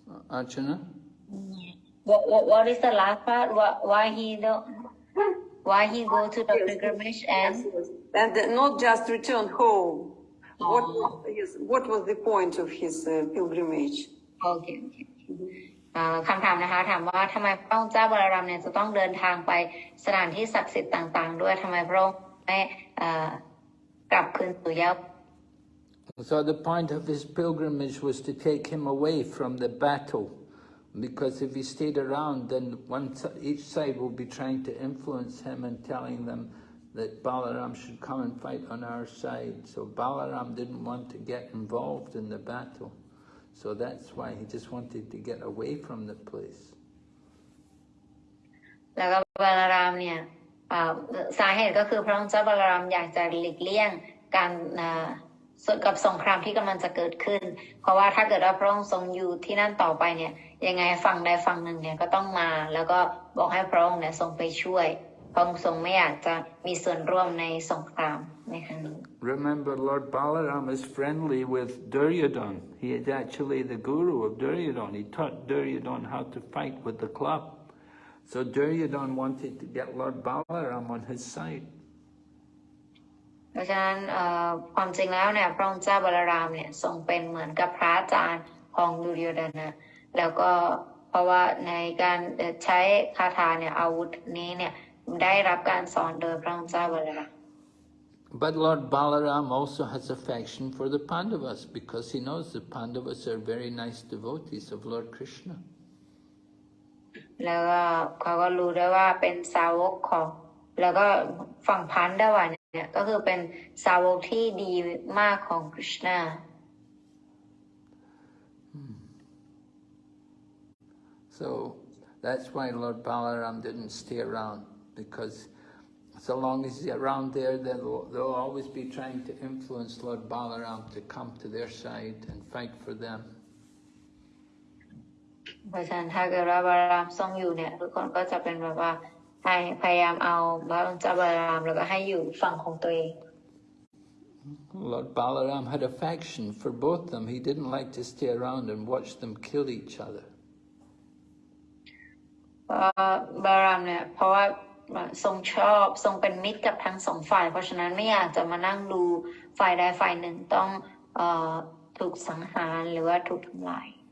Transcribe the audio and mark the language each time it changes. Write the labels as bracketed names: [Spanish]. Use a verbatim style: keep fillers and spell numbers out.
[English] Archana? what, what What is the last part? What, why he don't? Why he go to the pilgrimage and? And not just return home. What was, yes, what was the point of his uh, pilgrimage? [Thai] โอเคโอเคเอ่อคำถามนะคะถามว่าทำไมพระองค์เจ้าบาลารามเนี่ยจะต้องเดินทางไปสถานที่ศักดิ์สิทธิ์ต่างๆด้วยทำไมพระองค์ไม่เอ่อกลับคืนสู่ยะ [English] So the point of his pilgrimage was to take him away from the battle, because if he stayed around, then one si- each side will be trying to influence him and telling them that Balaram should come and fight on our side. So Balaram didn't want to get involved in the battle, so that's why he just wanted to get away from the place. [Thai] แล้วก็บาลารามเนี่ยเอ่อสาเหตุก็คือพระองค์เจ้าบาลารามอยากจะหลีกเลี่ยงการเอ่อส่วนกับสงครามที่กำลังจะเกิดขึ้น เพราะว่าถ้าเกิดว่าพระองค์ทรงอยู่ที่นั่นต่อไปเนี่ยยังไงฝั่งใดฝั่งหนึ่งเนี่ยก็ต้องมา แล้วก็บอกให้พระองค์เนี่ยทรงไปช่วยพระองค์ทรงไม่อยากจะมีส่วนร่วมในสงครามในครั้งนี้ [English] Remember, Lord Balaram is friendly with Duryodhana. He is actually the guru of Duryodhana. He taught Duryodhana how to fight with the club. So Duryodhana wanted to get Lord Balaram on his side. [Thai] เพราะฉะนั้นเอ่อความจริงแล้วเนี่ยพระองค์เจ้าบาลารามเนี่ยทรงเป็นเหมือนกับพระอาจารย์ของดุริโยดานะแล้วก็เพราะว่าในการเอ่อใช้คาถาเนี่ยอาวุธนี้เนี่ยได้รับการสอนโดยพระองค์เจ้าบาลาราม [English] But Lord Balaram also has affection for the Pandavas because he knows the Pandavas are very nice devotees of Lord Krishna. [Thai] แล้วก็เขาก็รู้ด้วยว่าเป็นสาวกของ แล้วก็ฝั่งพันดาวะเนี่ยก็คือเป็นสาวกที่ดีมากของกฤษณะ [English] So that's why Lord Balaram didn't stay around, because so long as he's around there, then they'll, they'll always be trying to influence Lord Balaram to come to their side and fight for them. [Thai] เพราะฉะนั้นถ้าเกิดว่าบารามทรงอยู่เนี่ยทุกคนก็จะเป็นแบบว่าให้พยายามเอาพระองค์เจ้าบารามแล้วก็ให้อยู่ฝั่งของตัวเอง [English] Lord Balaram had affection for both them. He didn't like to stay around and watch them kill each other. [Thai] บารามเนี่ยเพราะว่าทรงชอบทรงเป็นมิตรกับทั้งสองฝ่ายเพราะฉะนั้นไม่อยากจะมานั่งดูฝ่ายใดฝ่ายหนึ่งต้องเอ่อถูกสังหารหรือว่าถูกทำลาย